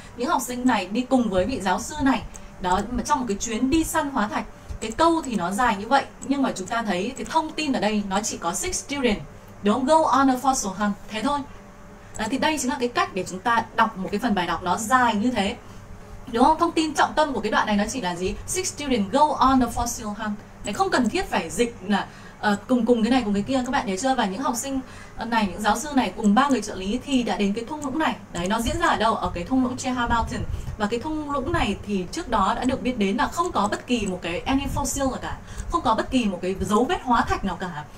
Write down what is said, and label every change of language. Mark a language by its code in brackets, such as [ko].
[vi] Những học sinh này đi cùng với vị giáo sư này đó, trong một cái chuyến đi săn hóa thạch. Cái câu thì nó dài như vậy, nhưng mà chúng ta thấy cái thông tin ở đây nó chỉ có 6 students, đúng không? [en] Go on a fossil hunt, [vi] thế thôi. À, thì đây chính là cái cách để chúng ta đọc một cái phần bài đọc nó dài như thế, đúng không? Thông tin trọng tâm của cái đoạn này nó chỉ là gì? [en] 6 students go on a fossil hunt. [vi] Đấy, không cần thiết phải dịch là cùng cái này cùng cái kia, các bạn nhớ chưa? Và những học sinh này, những giáo sư này cùng ba người trợ lý thì đã đến cái thung lũng này. Đấy, nó diễn ra ở đâu? Ở cái thung lũng Cheha Mountain. Và cái thung lũng này thì trước đó đã được biết đến là không có bất kỳ một cái [en] any fossil [vi] nào cả, không có bất kỳ một cái dấu vết hóa thạch nào cả.